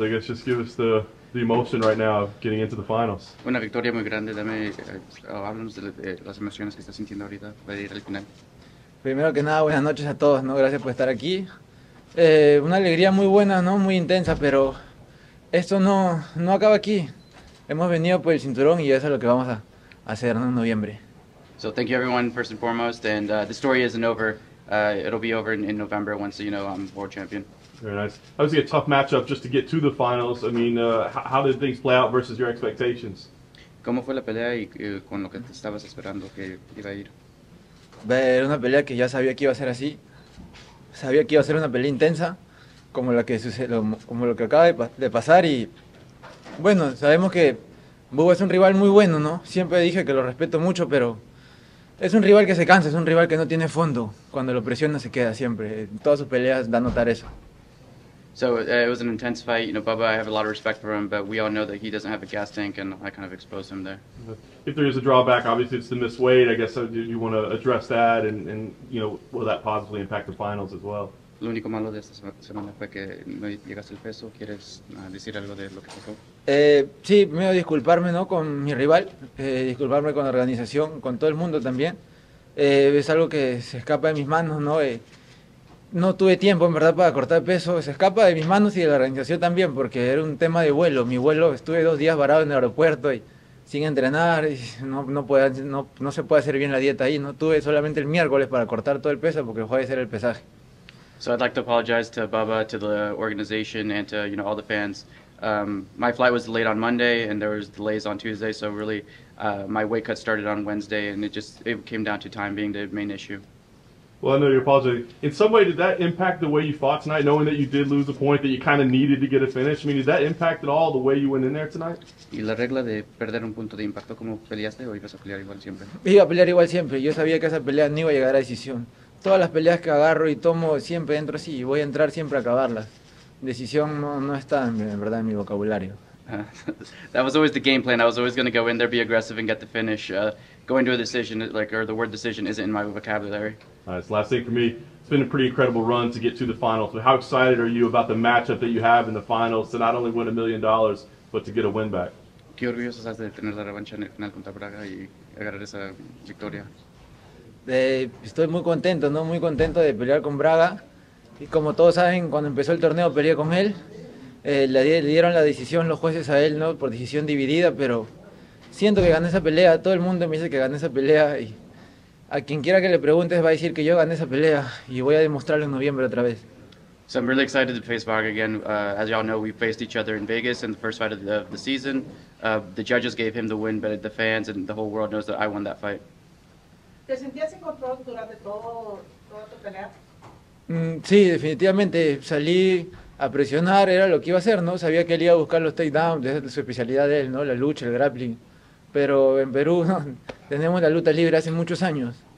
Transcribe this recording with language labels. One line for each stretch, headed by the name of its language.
English: I guess just give us the emotion right now of getting into the finals.
Spanish: Una victoria muy grande. Dame, háblanos de las emociones que estás sintiendo ahorita para ir al final. Primero que nada, buenas noches a todos, ¿no? Gracias por estar aquí. Una alegría muy buena, ¿no? Muy intensa, pero esto no acaba aquí. Hemos venido por el cinturón y eso es lo que vamos a hacer, ¿no?, en noviembre.
English: So thank you everyone first and foremost, and the story isn't over. It'll be over in November once, you know, I'm world champion. Very nice. Obviously a tough matchup just to get to the finals. I mean, how did things play out versus your expectations?
Spanish: ¿Cómo fue la pelea y con lo que te estabas esperando que iba a ir? Era una pelea que ya sabía que iba a ser así. Sabía que iba a ser una pelea intensa, como la que sucedió, como lo que acaba de pasar. Y bueno, sabemos que Bubo es un rival muy bueno, ¿no? Siempre dije que lo respeto mucho, pero es un rival que se cansa, es un rival que no tiene fondo. Cuando lo presiona se queda siempre. En todas sus peleas da a notar eso.
English: So it was an intense fight. You know, Bubba, I have a lot of respect for him, but we all know that he doesn't have a gas tank, and I kind of exposed him there. If there is a drawback, obviously it's the missed weight. I guess you want to address that, and you know, will that positively impact the finals as well?
Spanish: Lo único malo de esta semana fue que no llegaste al peso. ¿Quieres decir algo de lo que pasó? Sí, me voy a disculparme, ¿no?, con mi rival, disculparme con la organización, con todo el mundo también. Es algo que se escapa de mis manos, ¿no? No tuve tiempo, en verdad, para cortar peso. Se escapa de mis manos y de la organización también, porque era un tema de vuelo. Mi vuelo, estuve 2 días varado en el aeropuerto y sin entrenar. Y no se puede hacer bien la dieta ahí, ¿no? Tuve solamente el miércoles para cortar todo el peso porque el jueves era el pesaje.
English: So I'd like to apologize to Bubba, to the organization, and to, you know, all the fans. My flight was delayed on Monday, and there was delays on Tuesday, so really my weight cut started on Wednesday, and it came down to time being the main issue. Well, I know you're apologizing. In some way, did that impact the way you fought tonight, knowing that you did lose a point that you kind of needed to get a finish? I mean, did that impact at all the way you went in there tonight?
Spanish: ¿Y la regla de perder un punto de impacto como peleaste o ibas a pelear igual siempre? Iba a pelear igual siempre. Yo sabía que esa pelea no iba a llegar a decisión. Todas las peleas que agarro y tomo siempre entro así y voy a entrar siempre a acabarlas. Decisión no está en verdad en mi vocabulario.
English: That was always the game plan. I was always going to go in there, be aggressive and get the finish. Going to a decision, like, or the word decision isn't in my vocabulary. All right, so last thing for me. It's been a pretty incredible run to get to the finals. So how excited are you about the matchup that you have in the finals to not only win $1 million, but to get a win back?
Spanish: Qué orgulloso estás de tener la revancha en el final contra Braga y agarrar esa victoria. Estoy muy contento, ¿no? Muy contento de pelear con Braga. Y como todos saben, cuando empezó el torneo peleé con él. Le dieron la decisión los jueces a él, ¿no?, por decisión dividida, pero siento que gané esa pelea. Todo el mundo me dice que gané esa pelea y a quien quiera que le preguntes va a decir que yo gané esa pelea y voy a demostrarlo en noviembre otra vez.
English: So I'm really excited to face Braga again. As y'all know, we faced each other in Vegas in the first fight of the season. The judges gave him the win, but the fans and the whole world knows that I won that fight.
Spanish: ¿Te sentías en control durante toda tu pelea? Sí, definitivamente. Salí a presionar, era lo que iba a hacer, ¿no? Sabía que él iba a buscar los takedowns, esa es su especialidad de él, ¿no? La lucha, el grappling. Pero en Perú, ¿no?, tenemos la lucha libre hace muchos años.